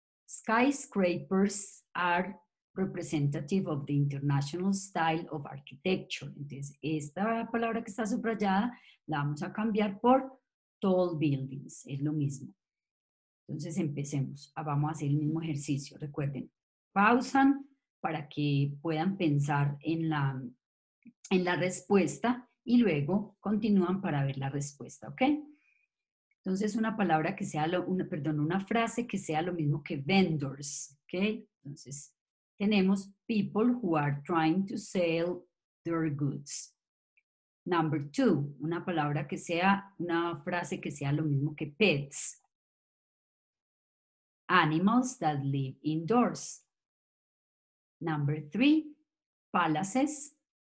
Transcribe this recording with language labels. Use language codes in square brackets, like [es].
[en] Skyscrapers are representative of the international style of architecture. [es] Entonces esta palabra que está subrayada la vamos a cambiar por [en] tall buildings, [es] es lo mismo. Entonces empecemos, vamos a hacer el mismo ejercicio. Recuerden, pausan para que puedan pensar en la respuesta y luego continúan para ver la respuesta, ¿ok? Entonces, una palabra que sea, lo, una, perdón, una frase que sea lo mismo que vendors, ¿ok? Entonces, tenemos [en] people who are trying to sell their goods. Number two, [es] una palabra que sea, una frase que sea lo mismo que pets. [en] Animals that live indoors. Number three, palaces.